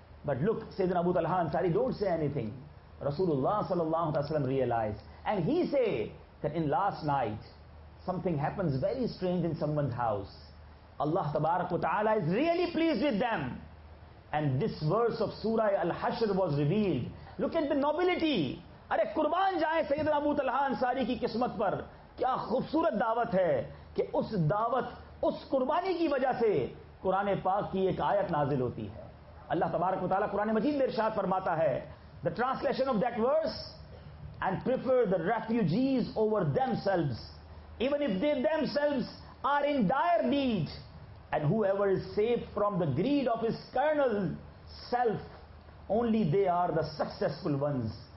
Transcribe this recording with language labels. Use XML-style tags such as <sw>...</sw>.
<en>But look, Sayyidina Abu Talha Ansari, don't say anything. Rasulullah sallallahu alaihi wasallam realized. And he say that in last night, something happens very strange in someone's house. Allah tabarak wa ta'ala is really pleased with them. And this verse of Surah Al-Hashr was revealed. Look at the nobility.</en> <ur>Are qurban jaye Sayyidina Abu Talha Ansari ki kismat par. کیا خوبصورت دعوت ہے کہ اس دعوت, اس قربانی کی وجہ سے قرآن پاک کی ایک آیت نازل ہوتی ہے. اللہ تبارک و تعالیٰ قرآن مجید میں ارشاد فرماتا ہے,</ur> <en>the translation of that verse, and prefer the refugees over themselves even if they themselves are in dire need, and whoever is saved from the greed of his carnal self, only they are the successful ones.</en>